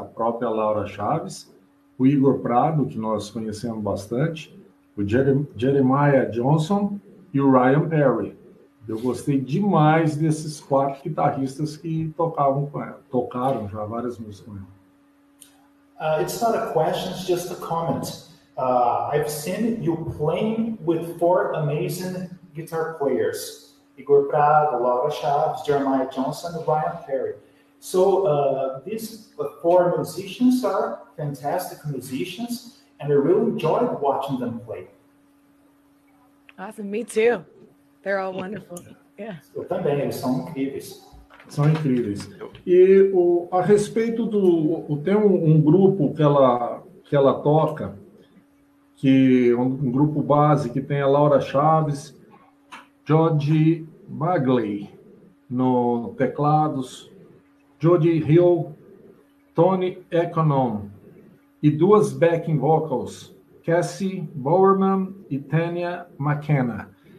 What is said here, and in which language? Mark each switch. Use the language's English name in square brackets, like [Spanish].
[Portuguese] A própria Laura Chaves, o Igor Prado, que nós conhecemos bastante, o Jeremiah Johnson e o Ryan Perry. Eu gostei demais desses quatro guitarristas que tocavam com ela, tocaram já várias músicas com ela. [English] It's not a question, it's just a comment. I've seen you playing with four amazing guitar players. Igor Prado, Laura Chaves, Jeremiah Johnson and Ryan Perry. So these four musicians are fantastic musicians and I really enjoyed watching them play. Awesome, me too. They're all wonderful. Yeah. [Portuguese] Eu também, eles são incríveis. São incríveis. E a respeito do... Tem um grupo que ela toca, que um grupo base que tem a Laura Chaves, Jody Bagley no teclados, Jody Hill, Tony Econom, e duas backing vocals, Cassie Bowerman e Tania McKenna.